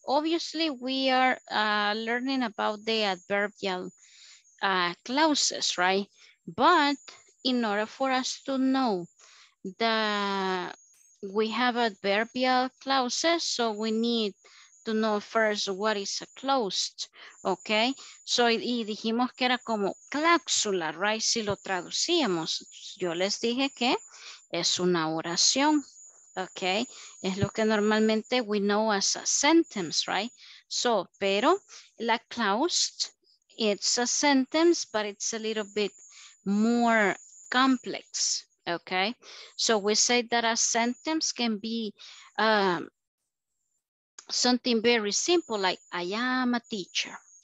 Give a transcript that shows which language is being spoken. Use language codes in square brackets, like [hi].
[en] Obviously, we are learning about the adverbial clauses, right? But in order for us to know that we have adverbial clauses, so we need to know first what is a clause, okay? [es] So, y dijimos que era como cláusula, right? Si lo traducíamos, yo les dije que es una oración, okay? Es lo que normalmente [en] we know as a sentence, right? So, [es] pero la [en] clause, it's a sentence, but it's a little bit more complex, okay? So we say that a sentence can be something very simple, like I am a teacher.